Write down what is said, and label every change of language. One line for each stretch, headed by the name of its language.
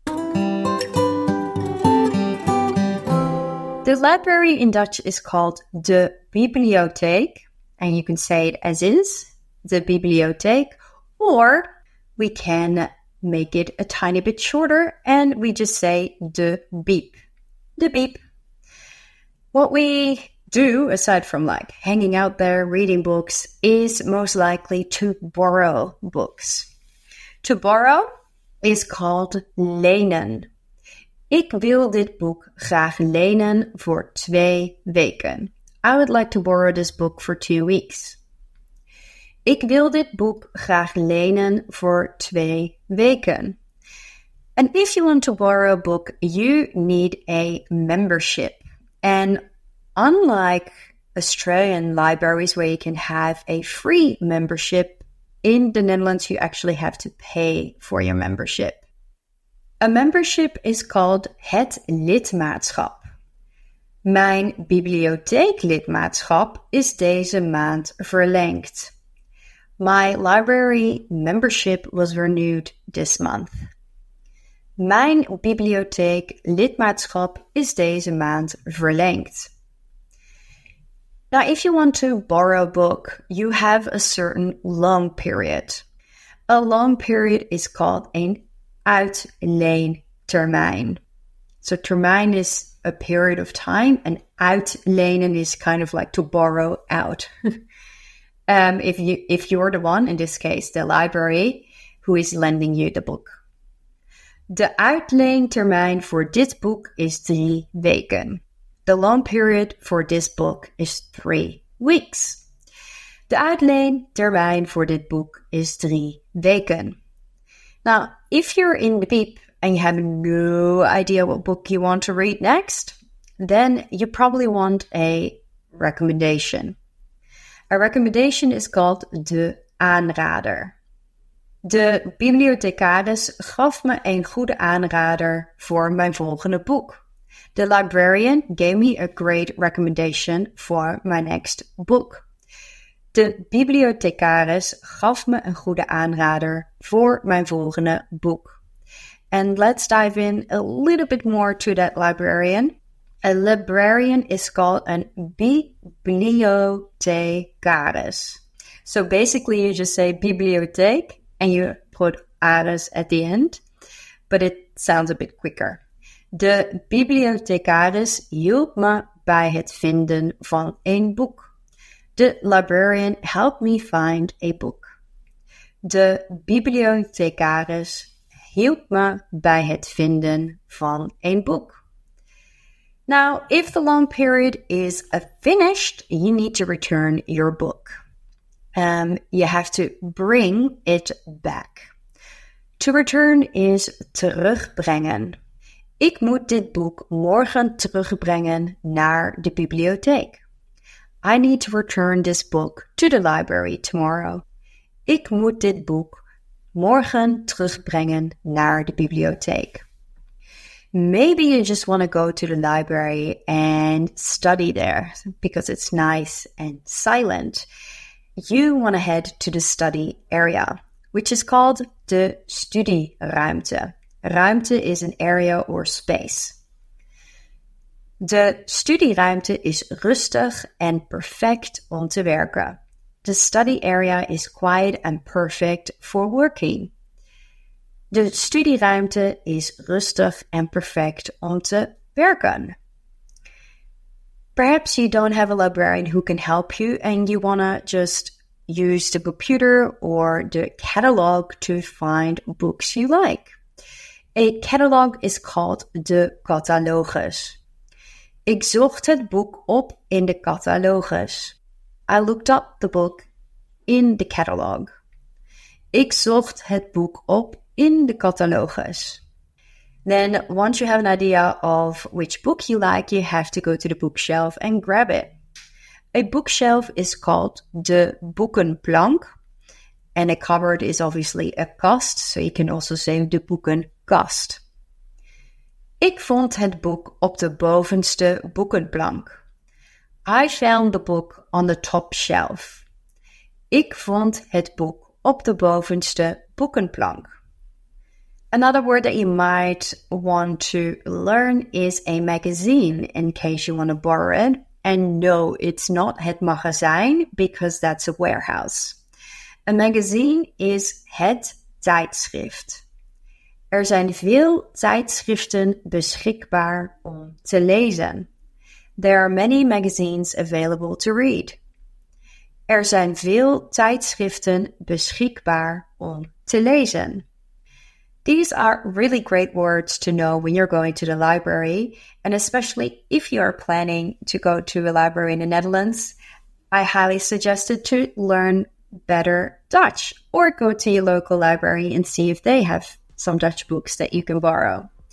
English: The library in Dutch is called de bibliotheek, and you can say it as is, de bibliotheek, or we can make it a tiny bit shorter, and we just say de bib, de bib. What we do, aside from like hanging out there reading books, is most likely to borrow books. To borrow is called lenen.
Dutch: Ik wil dit boek graag lenen voor 2 weken.
English: I would like to borrow this book for 2 weeks.
Dutch: Ik wil dit boek graag lenen voor 2 weken.
English: And if you want to borrow a book, you need a membership. And unlike Australian libraries where you can have a free membership, in the Netherlands you actually have to pay for your membership. A membership is called het lidmaatschap.
Dutch: Mijn bibliotheeklidmaatschap is deze maand verlengd.
English: My library membership was renewed this month.
Dutch: Mijn bibliotheeklidmaatschap is deze maand verlengd.
English: Now, if you want to borrow a book, you have a certain loan period. A loan period is called an uitleentermijn. So termijn is a period of time, and uitlenen is kind of like to borrow out. if you're the one, in this case the library, who is lending you the book.
Dutch: De uitleentermijn voor dit boek is 3 weken.
English: The loan period for this book is 3 weeks.
Dutch: De uitleentermijn voor dit boek is 3 weken.
English: Now, if you're in the beep and you have no idea what book you want to read next, then you probably want a recommendation. A recommendation is called de aanrader.
Dutch: De bibliothecaris gaf me een goede aanrader voor mijn volgende boek.
English: The librarian gave me a great recommendation for my next book.
Dutch: De bibliothecaris gaf me een goede aanrader voor mijn volgende boek.
English: And let's dive in a little bit more to that librarian. A librarian is called a bibliothecaris. So basically you just say bibliotheek and you put aris at the end, but it sounds a bit quicker.
Dutch: De bibliothecaris hielp me bij het vinden van een boek.
English: The librarian helped me find a book.
Dutch: De bibliothecaris hielp me bij het vinden van een boek.
English: Now, if the loan period is finished, you need to return your book. You have to bring it back. To return is terugbrengen.
Dutch: Ik moet dit boek morgen terugbrengen naar de bibliotheek.
English: I need to return this book to the library tomorrow.
Dutch: Ik moet dit boek morgen terugbrengen naar de bibliotheek.
English: Maybe you just want to go to the library and study there because it's nice and silent. You want to head to the study area, which is called de studieruimte. Ruimte is an area or space.
Dutch: De studieruimte is rustig en perfect om te werken.
English: the study area is quiet and perfect for working.
Dutch: De studieruimte is rustig en perfect om te werken.
English: Perhaps you don't have a librarian who can help you and you want to just use the computer or the catalog to find books you like. A catalog is called de catalogus.
Dutch: Ik zocht het boek op in de catalogus.
English: I looked up the book in the catalog.
Dutch: Ik zocht het boek op in de catalogus.
English: Then, once you have an idea of which book you like, you have to go to the bookshelf and grab it. A bookshelf is called de boekenplank. And a cupboard is obviously a kast, so you can also say de boekenkast.
Dutch: Ik vond het boek op de bovenste boekenplank.
English: I found the book on the top shelf.
Dutch: Ik vond het boek op de bovenste boekenplank.
English: Another word that you might want to learn is a magazine, in case you want to borrow it. And no, it's not het magazijn, because that's a warehouse. A magazine is het tijdschrift.
Dutch: Er zijn veel tijdschriften beschikbaar om te lezen.
English: There are many magazines available to read.
Dutch: Er zijn veel tijdschriften beschikbaar om te lezen.
English: These are really great words to know when you're going to the library, and especially if you are planning to go to a library in the Netherlands, I highly suggest it to learn better Dutch or go to your local library and see if they have some Dutch books that you can borrow.